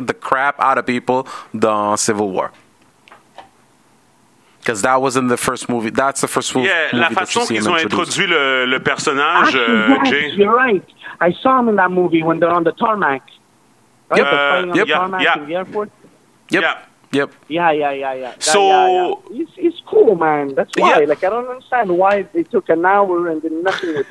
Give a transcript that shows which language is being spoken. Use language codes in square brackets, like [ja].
[en] the crap out of people in Civil War. Because that wasn't the first movie. That's the first movie. [fr] Yeah, la façon qu'ils ont introduit le personnage, Jay. [en] Yes, you're right. I saw him in that movie when they're on the tarmac. Right? Yep. He's cool, man. That's why. Yeah. Like, I don't understand why they took an hour and did nothing with